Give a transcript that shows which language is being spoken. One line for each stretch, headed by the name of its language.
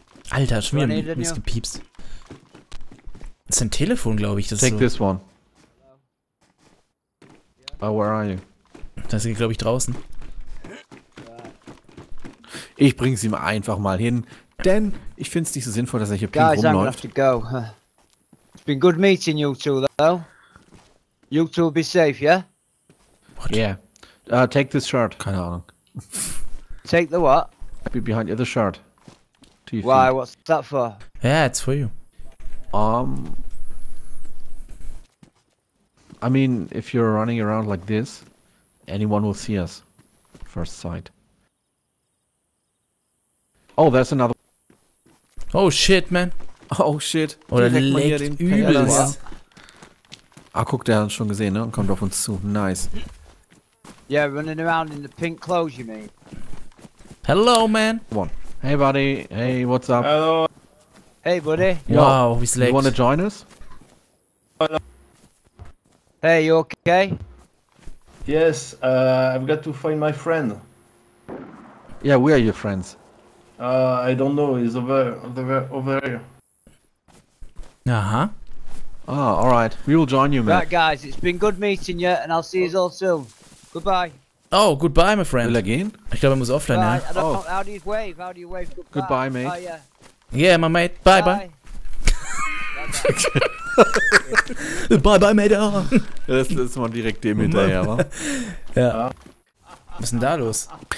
German: Alter, schon wieder ein bisschen gepiepst. Das ist ein Telefon, glaube ich. Das
English: Take so. This one. Oh, where are you?
German: Das ist, glaube ich, draußen. Ich bring's ihm einfach mal hin, denn ich find's nicht so sinnvoll, dass er hier
English: Guys, pink
German: rumläuft.
English: Guys, I'm gonna have to go. It's been good meeting you two, though. You two will be safe, yeah? What? Yeah. Take this shirt.
German: Keine Ahnung.
English: Take the what? Be behind you, the shirt. Why? What's that for? Yeah, it's for you. I mean, if you're running around like this, anyone will see us. First sight. Oh, there's another. Oh shit, man. Oh shit.
German: Oder legt übelst. Ah, guck, der hat schon gesehen, ne? Und kommt auf uns zu.
English: Nice. Yeah, running around in the pink clothes, you mean? Hello, man. One. Hey, buddy. Hey, what's up? Hello. Hey, buddy. Wow, we slept. You wanna join us? Hello. Hey, you okay? Yes, I've got to find my friend. Yeah, we are your friends. I don't know. He's over here. Uh-huh. Oh, all right. We will join you, man. Right, guys. It's been good meeting you, and I'll see you all soon. Goodbye. Oh, goodbye, my friend.
German: Will er gehen? Ich glaube, er muss offline, ja.
English: Oh. How do you wave? How do you wave? Goodbye, mate. Oh, yeah. Yeah, my mate. Bye, bye. Bye, bye, mate.
German: Das ist mal direkt dem hinterher, wa? Ja. Was ist denn da los?